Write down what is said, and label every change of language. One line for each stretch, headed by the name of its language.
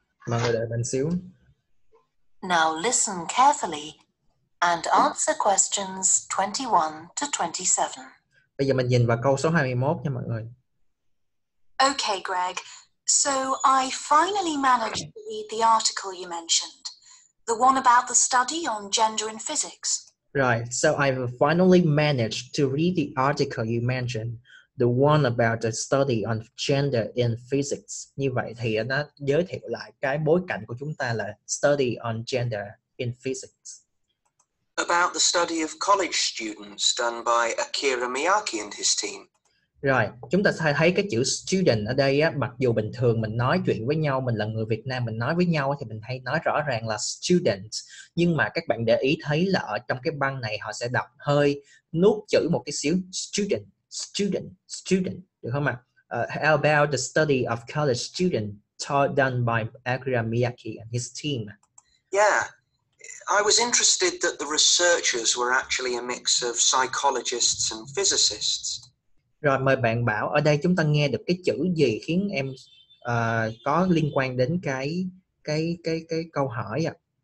Vietnamese: Mọi người đợi mình xíu.
English: Now listen carefully and answer questions 21 to 27.
Vietnamese: Bây giờ mình nhìn vào câu số 21 nha mọi người.
English: Okay, Greg. So I finally managed to read the article you mentioned. The one about the study on gender in physics. Right. So I've finally managed to read the article you mentioned. The one about the study on gender in physics.
Vietnamese: Như vậy thì nó giới thiệu lại cái bối cảnh của chúng ta là
English: study on gender in physics. About the study of college students done by Akira Miyake and his team.
Vietnamese: Rồi, chúng ta thấy cái chữ student ở đây á, mặc dù bình thường mình nói chuyện với nhau, mình là người Việt Nam, mình nói với nhau thì mình hay nói rõ ràng là student. Nhưng mà các bạn để ý thấy là ở trong cái băng này họ sẽ đọc hơi nuốt chữ một cái xíu, student. Student, được không ạ?
English: How about the study of college student taught done by Akira Miyake and his team? Yeah, I was interested that the researchers were actually a mix of psychologists and physicists.
Vietnamese: Rồi, mời bạn Bảo, ở đây chúng ta nghe được cái chữ gì khiến em có liên quan đến cái câu hỏi ạ?